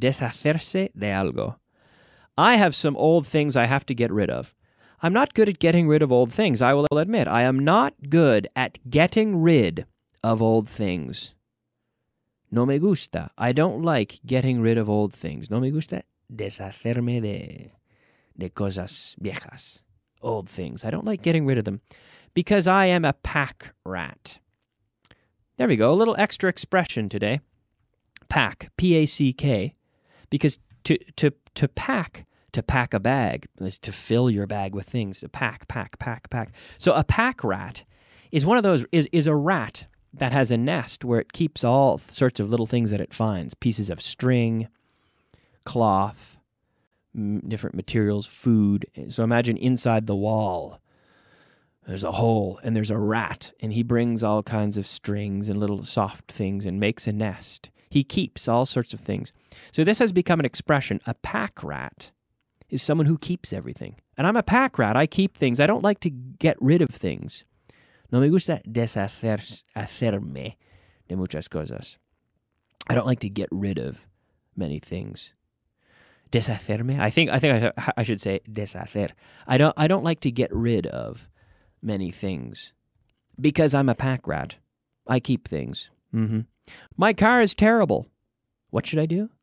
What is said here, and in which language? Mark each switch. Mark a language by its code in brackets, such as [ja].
[es] Deshacerse de algo. [en] I have some old things I have to get rid of. I'm not good at getting rid of old things, I will admit. I am not good at getting rid of old things. [es] No me gusta. [en] I don't like getting rid of old things. [es] No me gusta deshacerme de cosas viejas. [en] Old things. I don't like getting rid of them because I am a pack rat. There we go. A little extra expression today. Pack. P-A-C-K. Because to pack a bag is to fill your bag with things. To pack, pack, pack, pack. So a pack rat is one of those, is a rat that has a nest where it keeps all sorts of little things that it finds. Pieces of string, cloth, different materials, food. So imagine inside the wall, there's a hole and there's a rat and he brings all kinds of strings and little soft things and makes a nest. He keeps all sorts of things. So this has become an expression. A pack rat is someone who keeps everything. And I'm a pack rat. I keep things. I don't like to get rid of things. [es] No me gusta deshacerme de muchas cosas. [en] I don't like to get rid of many things. Deshacerme? I should say deshacer. I don't like to get rid of many things because I'm a pack rat. I keep things. Mm-hmm. My car is terrible. What should I do?